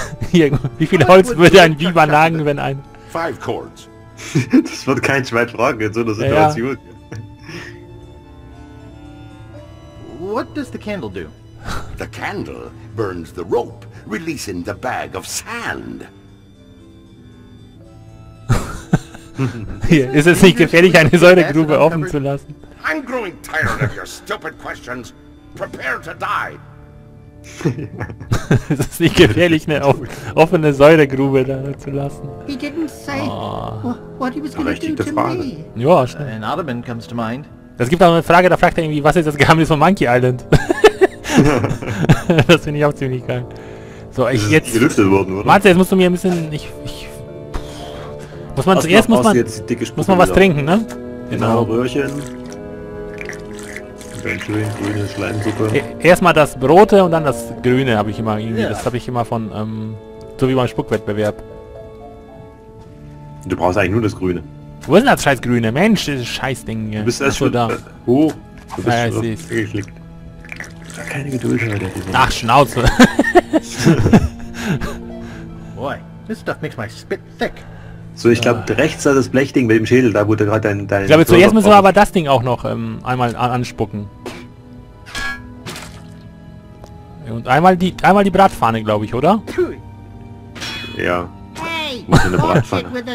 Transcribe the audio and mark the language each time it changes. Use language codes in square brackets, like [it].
[de] Hier, wie viel Holz würde ein Biber nagen, wenn ein... [en] Five chords. [de] Das wird kein Schwein fragen in so einer Situation. Ja. [en] What does the candle do? The candle burns the rope, releasing the bag of sand. [de] Hier, ist es nicht gefährlich, eine Säuregrube offen zu lassen? [en] I'm growing tired of your stupid questions. Prepare to die. [de] Es ist nicht gefährlich, eine offene Säuregrube da zu lassen. [en] He didn't say what he was gonna do to me. [de] Ja, schnell. [en] An Ottoman comes to mind. [de] Es gibt auch eine Frage, da fragt er irgendwie, was ist das Geheimnis von Monkey Island? Das finde ich auch ziemlich geil. So, ich jetzt... Gelüftet worden, oder? Warte, jetzt musst du mir ein bisschen... Ich muss man zuerst muss man, jetzt dicke muss man was trinken, ne? Genau. Ein Röhrchen. Ein schön grüne Schleimsuppe. Erstmal das Brote und dann das Grüne habe ich immer irgendwie. Ja. Das habe ich immer von, so wie beim Spuckwettbewerb. Du brauchst eigentlich nur das Grüne. Wo ist denn das scheiß Grüne? Mensch, dieses Scheißding hier. Du bist erst schon da. Hoch. Du bist schon ich geklickt. Keine Geduld mehr, der Ding. Ach, Schnauze. [en] Boy, this stuff makes my spit thick. [de] So, ich glaube, rechts da das Blechding mit dem Schädel, da wurde gerade dein... Ich glaube, zuerst müssen wir aber das Ding auch noch einmal anspucken. Und einmal die Bratpfanne, glaube ich, oder? Ja. Hey, eine Bratpfanne.